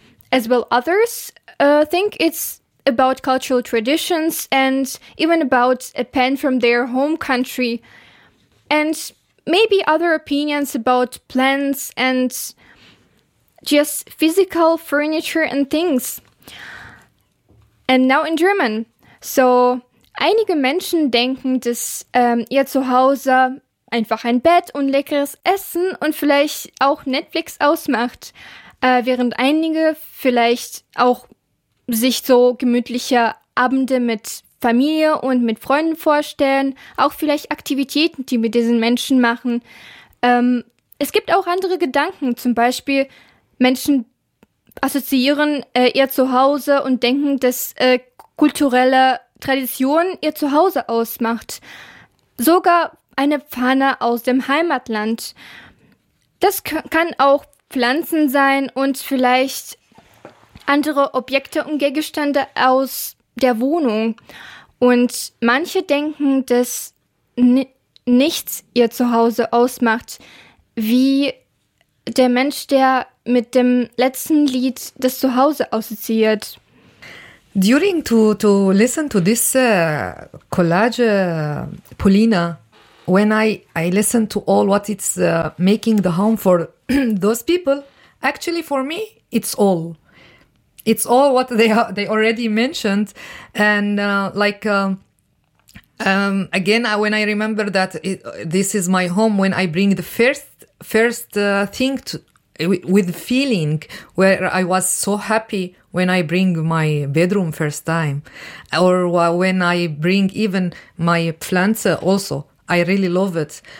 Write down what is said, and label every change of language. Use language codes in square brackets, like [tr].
[en] As well, others think it's about cultural traditions and even about a pen from their home country. And maybe other opinions about plants and just physical furniture and things. And now in German. [de] So, einige Menschen denken, dass ihr Zuhause einfach ein Bett und leckeres Essen und vielleicht auch Netflix ausmacht. Während einige vielleicht auch sich so gemütliche Abende mit Familie und mit Freunden vorstellen, auch vielleicht Aktivitäten, die mit diesen Menschen machen. Es gibt auch andere Gedanken, zum Beispiel Menschen assoziieren ihr Zuhause und denken, dass kulturelle Tradition ihr Zuhause ausmacht. Sogar eine Pfanne aus dem Heimatland. Das kann auch Pflanzen sein und vielleicht andere Objekte und Gegenstände aus der Wohnung. Und manche denken, dass nichts ihr Zuhause ausmacht, wie der Mensch, der mit dem letzten Lied das Zuhause assoziiert. [en] During to listen to this collage, Polina, when I listen to all what it's making the home for those people, actually for me, it's all. It's all what they already mentioned. And again, when I remember that this is my home, when I bring the first thing with feeling, where I was so happy when I bring my bedroom first time, or when I bring even my plants also, I really love it.